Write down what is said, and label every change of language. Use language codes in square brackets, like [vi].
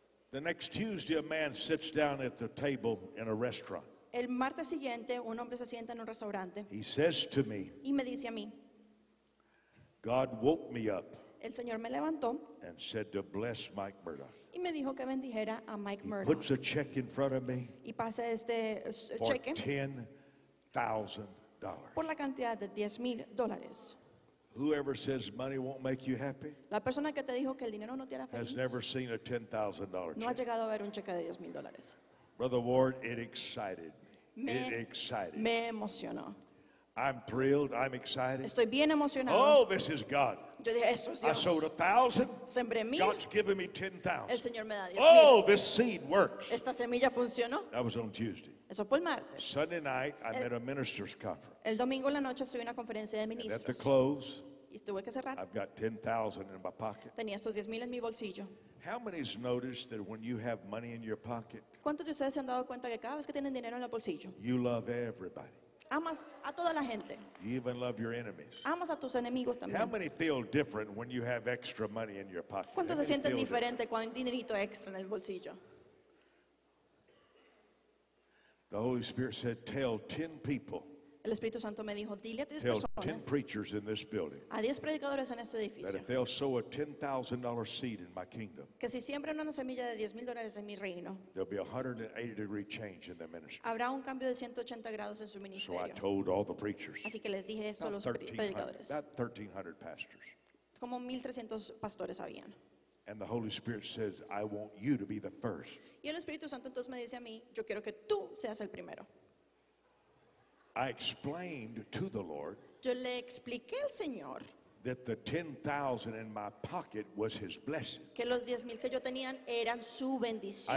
[en] The next Tuesday, a man sits down at the table in a restaurant. [es] El martes siguiente, un hombre se sienta en un restaurante. [en] He says to me. [es] Y me dice a mí. [en] God woke me up. [es] El Señor me levantó. [en] And said to bless Mike Murdock. [es] Y me dijo que bendijera a Mike [en] He [es] Murdock. [en] Puts a check in front of me. [es] Y pasa este [en] for [es] cheque. [en] $10,000. [es] Por la cantidad de $10,000. [en] Whoever says money won't make you happy? [es] La persona que te dijo que el dinero no te hará feliz. [en] Has never seen a $10,000 check. [es] No ha llegado a ver un cheque de $10,000. [en] Brother Ward, it excited me. It excited [es] me. Me emocionó. [en] I'm thrilled, I'm excited. [es] Estoy bien emocionado. [en] Oh, this is God. [es] Yo dije, esto es Dios. [en] I sowed $1,000. [es] Sembré mil. [en] God's given me $10,000. [es] El Señor me da 10,000. [en] Oh, this seed works. [es] Esta semilla funcionó. [en] That was on Tuesday. [es] Eso fue el martes. [en] Sunday night, I met a minister's conference. [es] El domingo en la noche estuve en una conferencia de ministros. [en] And at the close, [es] y tuve que cerrar. [en] I've got $10,000 in my pocket. [es] Tenía estos 10,000 en mi bolsillo. [en] How many has noticed that when you have money in your pocket, [es] ¿cuántos de ustedes se han dado cuenta que cada vez que tienen dinero en el bolsillo, [en] you love everybody? [es] Amas a toda la gente. [en] You even love your enemies. [es] Amas a tus enemigos también. [en] How many feel different when you have extra money in your pocket? [es] ¿Cuántos se sienten diferente cuando hay dinerito extra en el bolsillo? [en] The Holy Spirit said, tell 10 people. [es] El Espíritu Santo me dijo, dile a 10 [en] tell [es] personas. [en] Tell 10 preachers in this building. [es] A 10 predicadores en este edificio. [en] That if they'll sow a $10,000 seed in my kingdom. [es] Que si siembran una semilla de $10,000 en mi reino. [en] There'll be a 180-degree change in their ministry. [es] Habrá un cambio de 180 grados en su ministerio. [en] So I told all the preachers. [es] Así que les dije esto a los predicadores. [en] About 1,300 pastors. [es] Como 1,300 pastores habían. [en] And the Holy Spirit says, I want you to be the first. [es] Y el Espíritu Santo entonces me dice a mí, yo quiero que tú seas el primero. [en] I explained to the Lord. [es] Yo le expliqué al Señor. [en] That the 10,000 in my pocket was his blessing. [es] Que los 10,000 que yo tenía eran su bendición.